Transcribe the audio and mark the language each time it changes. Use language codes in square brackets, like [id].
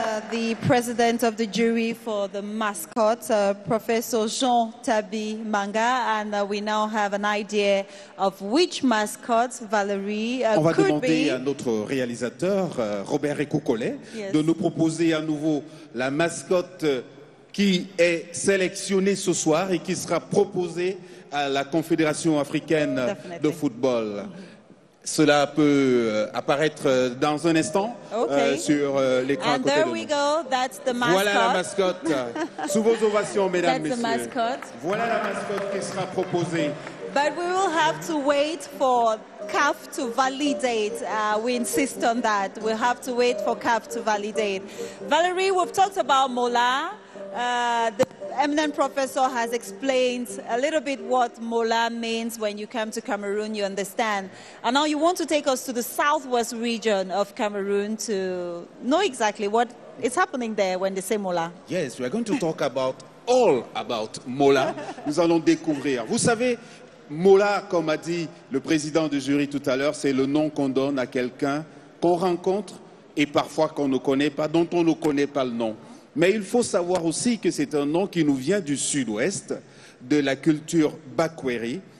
[en] The president of the jury for the mascot, Professor Jean Tabi Manga, and we now have an idea of which mascot Valérie could be. [fr] On va demander à notre réalisateur Robert Ecoucolet de nous proposer à nouveau la mascotte qui est sélectionnée ce soir et qui sera proposée à la Confédération africaine de football. Cela peut apparaître dans un instant sur l'écran. [en] And there we go, that's the mascot. [fr] Voilà la mascotte. Sous vos ovations, mesdames, messieurs. Voilà la mascotte qui sera proposée. [en] But we will have to wait for CAF to validate. We insist on that. We'll have to wait for CAF to validate. Valérie, we've talked about Mola. The eminent professor has explained a little bit what Mola means. When you come to Cameroon, you understand. And now you want to take us to the southwest region of Cameroon to know exactly what is happening there when they say Mola. Yes, we are going to talk about all about Mola. [fr] Nous allons découvrir. Vous savez, Mola, comme a dit le président du jury tout à l'heure, c'est le nom qu'on donne à quelqu'un qu'on rencontre et parfois qu'on ne connaît pas, dont on ne connaît pas le nom. Mais il faut savoir aussi que c'est un nom qui nous vient du sud-ouest, de la culture Bakweri.